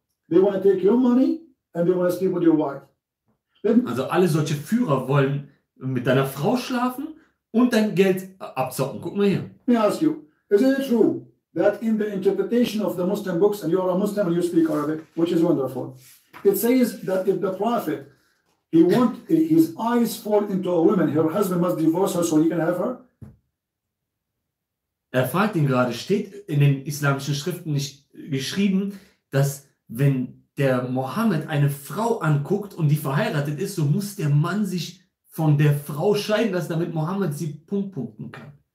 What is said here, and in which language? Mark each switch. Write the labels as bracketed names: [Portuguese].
[English] They want to take your money and they want to sleep with your wife. [German] Also alle solche Führer wollen mit deiner Frau schlafen und dein Geld abzocken. Guck mal hier. [English] Let me ask you, is it true that in the interpretation of the Muslim books, and you are a Muslim and you speak Arabic, which is wonderful, it says that if the Prophet, he want his eyes fall into a woman, her husband must divorce her so he can have her? [German] Er fragt ihn gerade, steht in den islamischen Schriften nicht geschrieben, dass wenn der Mohammed eine Frau anguckt und die verheiratet ist, so muss der Mann sich von der Frau scheiden lassen, damit Mohammed sie punkten kann.